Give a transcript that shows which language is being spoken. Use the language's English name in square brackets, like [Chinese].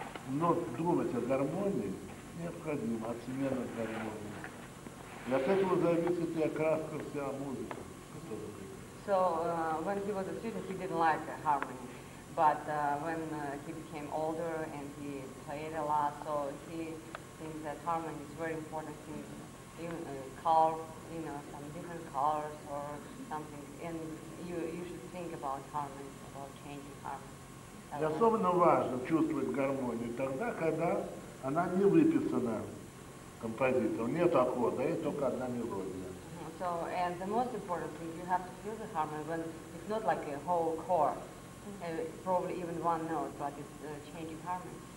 [Russian] Но думать о гармонии необходимо, о смене гармонии. Для этого зависит и окраска вся музыка. [English] So when he was a student, he didn't like harmony. But when he became older and he played a lot, so he thinks that harmony is very important. He colors, you know, some different colors or something. And you should think about harmony, about changing harmony. [Russian] Особенно важно чувствовать гармонию тогда, когда она не выписана композитором. Нет аккорда, есть только одна мелодия. [English] So, and the most important thing, you have to feel the harmony when it's not like a whole chord. Probably even one note, but it's changing harmony.